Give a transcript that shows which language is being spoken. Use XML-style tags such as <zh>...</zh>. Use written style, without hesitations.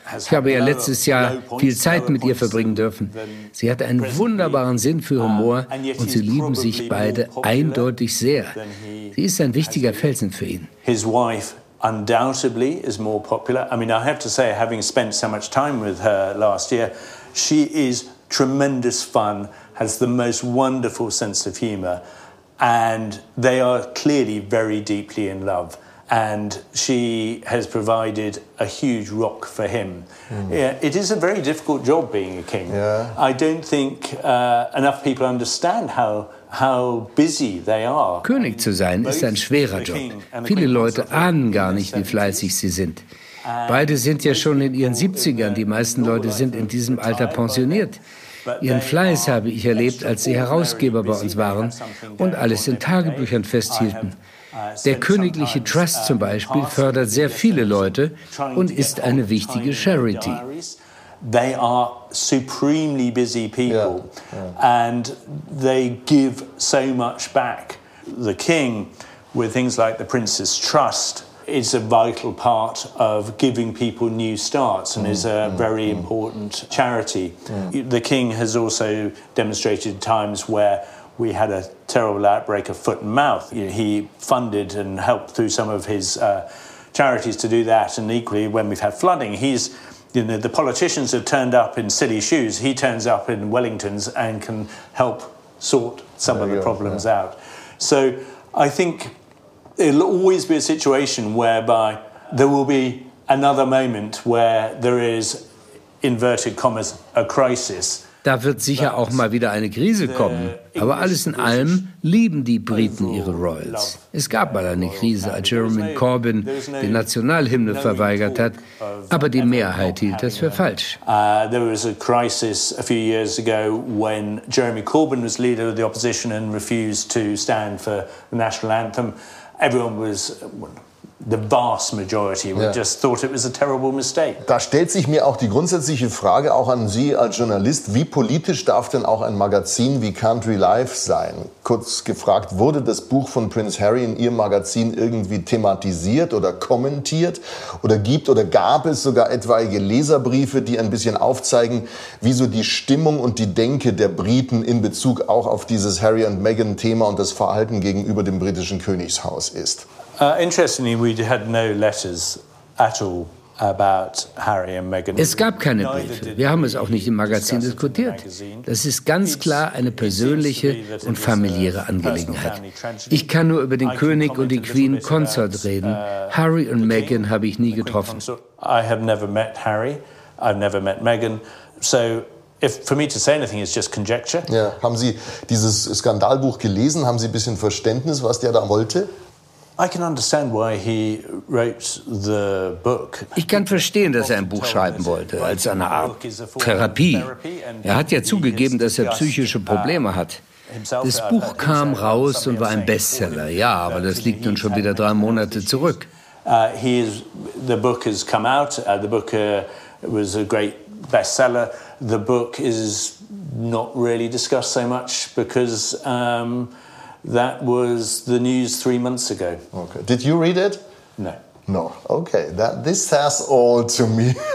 <de>Ich habe ja letztes Jahr viel Zeit mit ihr verbringen dürfen. Sie hat einen wunderbaren Sinn für Humor und sie lieben sich beide eindeutig sehr. Sie ist ein wichtiger Felsen für ihn.</de> <en>His wife undoubtedly is more popular. I mean, I have to say, having spent so much time with her last year, she is tremendous fun, has the most wonderful sense of humor, and they are clearly very deeply in love. And she has provided a huge rock for him. Yeah, it is a very difficult job being a king. Yeah. I don't think enough people understand how busy they are.</en> <de>König zu sein ist ein schwerer Job. Viele Leute ahnen gar nicht, wie fleißig sie sind. Beide sind ja schon in ihren 70ern. Die meisten Leute sind in diesem Alter pensioniert. Ihren Fleiß habe ich erlebt, als sie Herausgeber bei uns waren und alles in Tagebüchern festhielten. Der Königliche Trust zum Beispiel fördert sehr viele Leute und ist eine wichtige Charity.</de> <en>They are supremely busy people and they give so much back. The King, with things like the Prince's Trust, is a vital part of giving people new starts and is a very important charity. The King has also demonstrated times where we had a terrible outbreak of foot and mouth. You know, he funded and helped through some of his charities to do that. And equally, when we've had flooding, he's, you know, the politicians have turned up in silly shoes. He turns up in Wellingtons and can help sort some of the problems out. So I think it'll always be a situation whereby there will be another moment where there is, inverted commas, a crisis.</en> <de>Da wird sicher auch mal wieder eine Krise kommen. Aber alles in allem lieben die Briten ihre Royals. Es gab mal eine Krise, als Jeremy Corbyn die Nationalhymne verweigert hat, aber die Mehrheit hielt das für falsch.</de> <en>There was a crisis a few years ago when Jeremy Corbyn was leader of the opposition and refused to stand for the national anthem. Everyone was the vast majority would just thought it was a terrible mistake.</en> <de>Da stellt sich mir auch die grundsätzliche Frage auch an Sie als Journalist, wie politisch darf denn auch ein Magazin wie Country Life sein? Kurz gefragt, wurde das Buch von Prince Harry in Ihrem Magazin irgendwie thematisiert oder kommentiert oder gibt oder gab es sogar etwaige Leserbriefe, die ein bisschen aufzeigen, wie so die Stimmung und die Denke der Briten in Bezug auch auf dieses Harry und Meghan Thema und das Verhalten gegenüber dem britischen Königshaus ist?</de> <en>Interestingly, we had no letters at all about Harry and Meghan.</en> <de>Es gab keine Briefe. Wir haben es auch nicht im Magazin diskutiert. Das ist ganz klar eine persönliche und familiäre Angelegenheit. Ich kann nur über den König und die Queen Consort reden. Harry und Meghan habe ich nie getroffen.</de> <en>I have never met Harry. I've never met Meghan. So if for me to say anything is just conjecture.</en> <de>Ja, haben Sie dieses Skandalbuch gelesen? Haben Sie ein bisschen Verständnis, was der da wollte?</de> <en>I can understand why he wrote the book.</en> <de>Ich kann verstehen, dass er ein Buch schreiben wollte, als eine Art Therapie. Er hat ja zugegeben, dass er psychische Probleme hat. Das Buch kam raus und war ein Bestseller. Ja, aber das liegt nun schon wieder 3 Monate zurück.</de> <en>The book has come out. The book was a great bestseller. The book is not really discussed so much because that was the news 3 months ago. Okay. Did you read it? No. No. Okay. That this says all to me.</en>